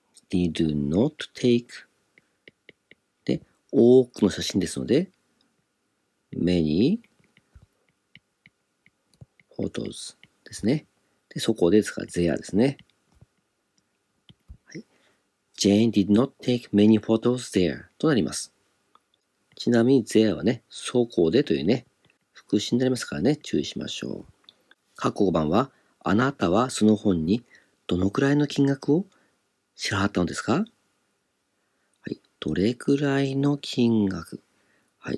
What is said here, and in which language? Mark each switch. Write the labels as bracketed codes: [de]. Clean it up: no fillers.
[en] did not take。 [ja] で、多くの写真ですので、 [en] many photos [ja] ですね。で、そこでですから、there ですね。はい。 [en] Jane did not take many photos there [ja] となります。ちなみに、there はね、そこでというね、副詞になりますからね、注意しましょう。括弧5番は、あなたはその本にどのくらいの金額を支払ったのですか？はい。どれくらいの金額？はい。